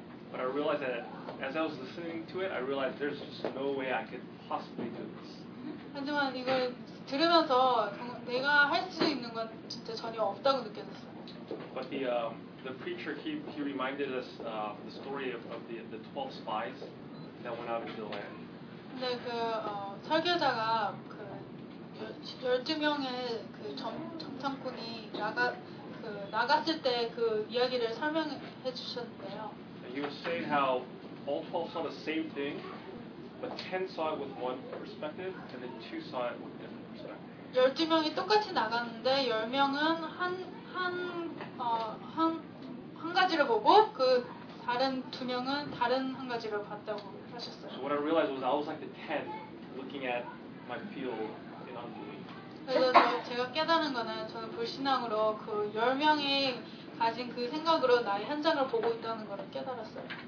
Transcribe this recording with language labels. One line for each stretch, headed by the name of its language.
English: But I realized that as I was listening to it, I realized there's just no way I could possibly do this.
Korean: 하지만 이걸 들으면서 내가 할 수 있는 건 진짜 전혀 없다고 느껴졌어요.
English: But the preacher he reminded us the story of the 12 spies that went out into the land.
Korean: 근데 그 설교자가 그 12명의 그 정탐꾼이 나갔을 때 그 이야기를 설명해 주셨는데요.
English: He was saying how all 12 saw the same thing, but 10 saw it with one perspective, and then 2 saw it with different perspective.
Korean: 12명이 똑같이 나갔는데 10명은 한 가지를 보고 그 다른 두 명은 다른 한 가지를 봤다고 하셨어요.
English: So what I realized was I was like the 10 looking at my field in unbelief.
Korean: 그래서 제가 깨달은 거는 저는 불신앙으로 그 10명이 가진 그 생각으로 나의 현장을 보고 있다는 걸 깨달았어요.